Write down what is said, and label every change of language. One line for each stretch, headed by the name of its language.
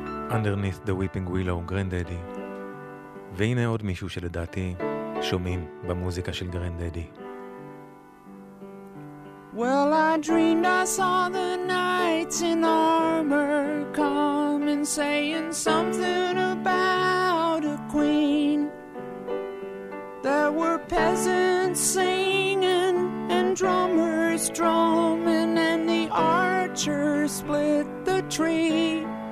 English: Underneath the Weeping Willow, גרנדדי.
Hebrew: והנה עוד מישהו שלדעתי שומעים במוזיקה של גרנדדי.
English: Well, I dreamed I saw the knights in armor come and saying something about a queen. There were peasants singing and drummers drumming and the archers split the tree.